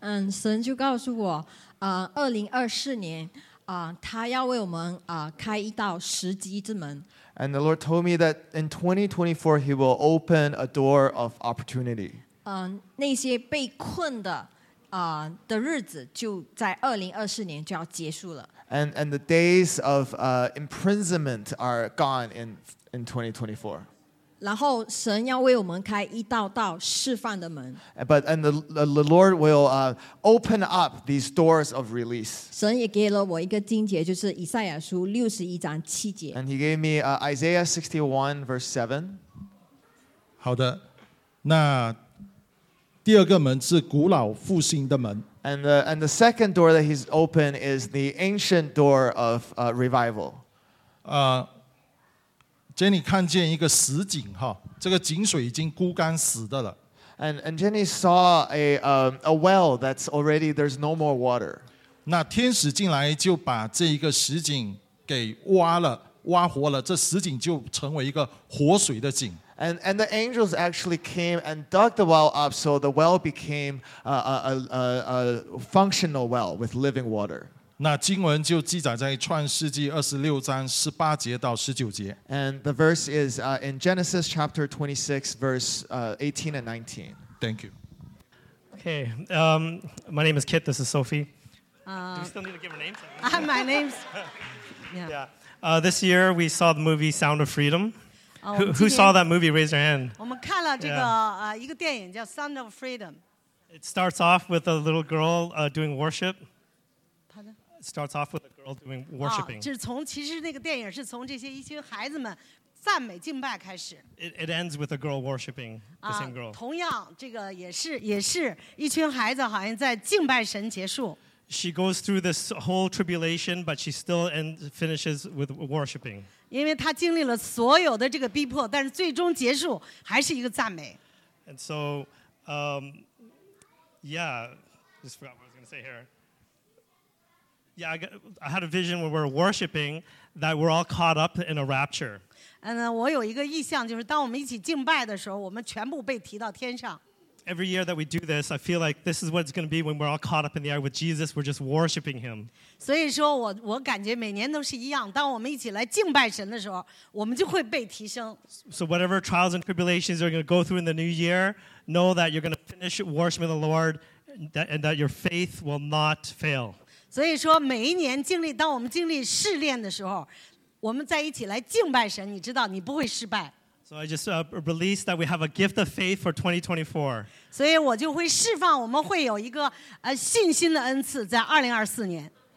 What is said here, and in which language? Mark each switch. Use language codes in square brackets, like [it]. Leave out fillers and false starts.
[zh] 神就告诉我，2024年，他要为我们开一道十级之门。 [en] And the Lord told me that in 2024 He will open a door of opportunity. [zh] 那些被困的的日子就在2024年就要结束了。 [en] And the days of imprisonment are gone in 2024. [zh] 然后神要为我们开一道道释放的门。 [en] But and the Lord will open up these doors of release. [zh] 神也给了我一个经节，就是以赛亚书61:7。 [en] And He gave me Isaiah 61:7. [zh] 好的，那第二个门是古老复兴的门。 [en] And the second door that he's opened is the ancient door of revival. [zh] Jenny 看见一个死井哈，这个井水已经枯干死的了。 [en] And Jenny saw a well that's already there's no more water. [zh] 那天使进来就把这一个死井给挖了，挖活了，这死井就成为一个活水的井。 [en] And the angels actually came and dug the well up, so the well became a functional well with living water. [zh] 那经文就记载在创世纪26:18-19. [en] And the verse is in Genesis chapter 26, verse 18 and 19. Thank you. Okay, my name is Kit. This is Sophie. Do we still need to give her names? My name's. Yeah. This year we saw the movie Sound of Freedom. Who saw that movie? Raise your hand. [zh] 我们看了这个一个电影叫《Sound of Freedom》。 [en] It starts off with a little girl doing worship. Pardon? It starts off with a girl doing worshiping. [zh] 就是从其实那个电影是从这些一群孩子们赞美敬拜开始。 [en] It ends with a girl worshiping the same girl. [zh] 同样，这个也是一群孩子好像在敬拜神结束。 [en] She goes through this whole tribulation, but she still and finishes with worshiping. [zh] 因为她经历了所有的这个逼迫，但是最终结束还是一个赞美。 [en] And so, yeah, just forgot what I was going to say here. Yeah, I had a vision where we're worshiping that we're all caught up in a rapture. [zh] And 我有一个意象，就是当我们一起敬拜的时候，我们全部被提到天上。 [en] Every year that we do this, I feel like this is what it's going to be when we're all caught up in the air with Jesus. We're just worshiping Him. [zh] 所以说我感觉每年都是一样。当我们一起来敬拜神的时候，我们就会被提升。 [en] So whatever trials and tribulations you're going to go through in the new year, know that you're going to finish worshiping the Lord, and that your faith will not fail. [zh] 所以说每一年当我们经历试炼的时候，我们在一起来敬拜神，你知道你不会失败。 [en] So I just released that we have a gift of faith for 2024. [zh] 所以我就会释放我们会有一个信心的恩赐在2024年。